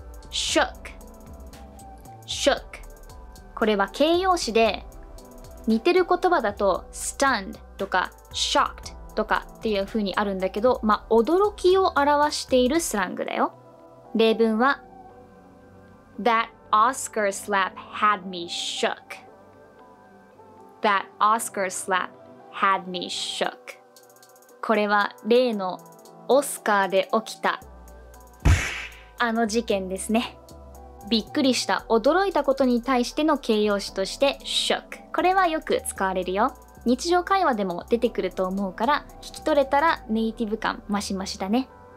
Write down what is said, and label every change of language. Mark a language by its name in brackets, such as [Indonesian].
[English] Shook. Shook. [Japanese] これは形容詞で、似てる言葉だと stunned とか shocked とかっていう風にあるんだけど、まあ驚きを表しているスラングだよ。例文は [English] That Oscar slap had me shook. That Oscar slap had me shook. [Japanese] これは例のオスカーで起きたあの事件ですね。びっくりした、驚いたことに対しての形容詞として shook。これはよく使われるよ。日常会話でも出てくると思うから、聞き取れたらネイティブ感マシマシだね。